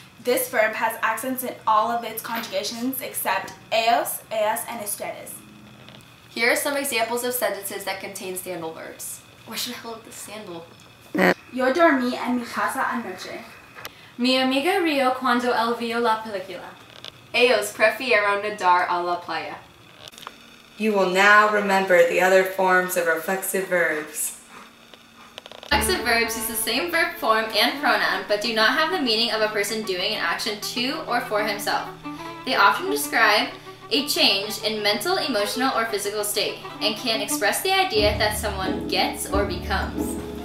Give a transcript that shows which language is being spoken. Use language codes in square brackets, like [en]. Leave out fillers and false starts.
[en] This verb has accents in all of its conjugations except ellos, ellas, and ustedes. Here are some examples of sentences that contain sandal verbs. Where should I hold the sandal? [es] Yo dormí en mi casa anoche. Mi amiga rió cuando él vio la película. Ellos prefirieron nadar a la playa. [en] You will now remember the other forms of reflexive verbs. Reflexive verbs use the same verb form and pronoun, but do not have the meaning of a person doing an action to or for himself. They often describe a change in mental, emotional, or physical state, and can express the idea that someone gets or becomes.